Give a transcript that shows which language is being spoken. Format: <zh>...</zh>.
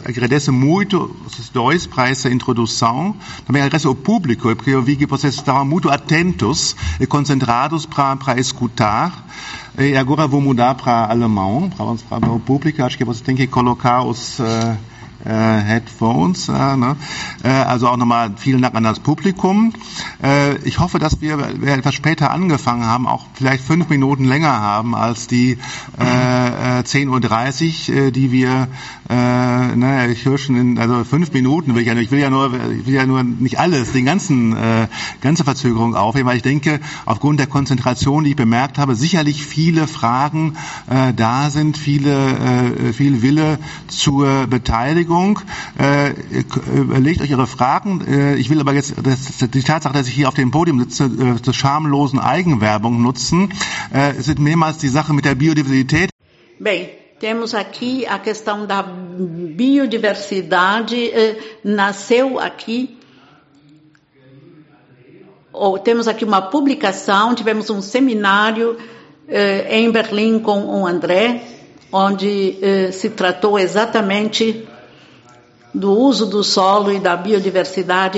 <pt>Agradeço muito os dois para essa introdução. Também agradeço ao público, porque eu vi que vocês estavam muito atentos e concentrados para escutar. E agora vou mudar para alemão, para o público. Acho que você tem que colocar os</pt> <en>Headphones.</en> <de>Also auch nochmal vielen Dank an das Publikum. Ich hoffe, dass wir etwas später angefangen haben, auch vielleicht 5 Minuten länger haben als die 10.30 Uhr, die wir, ich höre schon, also 5 Minuten, ich will ja nur nicht alles, den ganze Verzögerung aufheben, weil ich denke, aufgrund der Konzentration, die ich bemerkt habe, sicherlich viele Fragen da sind, viel Wille zur Beteiligung. Überlegt euch eure Fragen. Ich will aber jetzt die Tatsache, dass ich hier auf dem Podium sitze, zur schamlosen Eigenwerbung nutzen. Es ist mehrmals die Sache mit der Biodiversität.</de> <pt>Bem, temos aqui a questão da biodiversidade. Nasceu aqui. Temos aqui uma publicação, tivemos um seminário em Berlim com o André, onde se tratou exatamente do uso do solo e da biodiversidade.</pt>